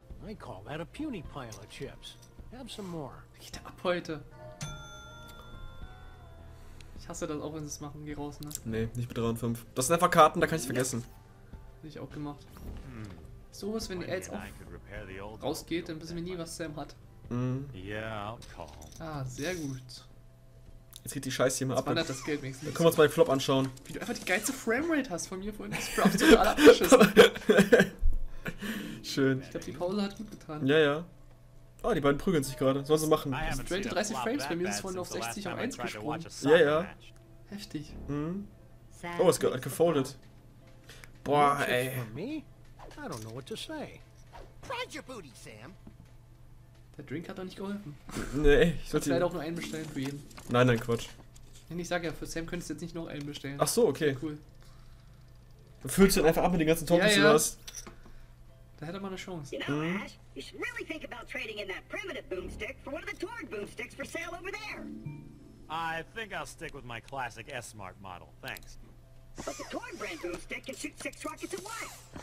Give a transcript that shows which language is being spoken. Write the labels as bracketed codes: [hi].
[en] I call that a puny pile of chips. Have some more. [de] Geht ab heute. Ich hasse das auch, wenn sie es machen. Geh raus, ne? Nee, nicht mit 3 und 5. Das sind einfach Karten, da kann ich vergessen. Hätte ich auch gemacht. So was, wenn die Elz auch rausgeht, dann wissen wir nie, was Sam hat. Mhm. Ah, sehr gut. Jetzt geht die Scheiße hier mal ab. Das wandert das Geld wenigstens. Dann können wir uns mal den Flop anschauen. Wie du einfach die geilste Framerate hast von mir vorhin. Das Sprout sogar alle abgeschissen. Schön. Ich glaube, die Pause hat gut getan. Ja, ja. Ah, die beiden prügeln sich gerade. Sollen sie machen. Straight 30 Frames. Bei mir ist es vorhin auf 60 auf 1 gesprungen. Ja, ja. Heftig. Mhm. Oh, es hat gefoldet. Boah, ey. [en] I don't know what to say. Pride your booty, Sam. [de] Der Drink hat doch nicht geholfen. Nee, ich sollte leider auch nur einen bestellen für jeden. Nein, Quatsch. Ich sag ja, für Sam könntest du jetzt nicht noch einen bestellen. Ach so, okay. Cool. Dann füllst du ihn einfach ab mit den ganzen Toppings, ja, ja. Da hätte er mal eine Chance. [en] I think I'll stick with my classic S-Mark model. Thanks. But the Torg brand boomstick can shoot 6 rockets at once.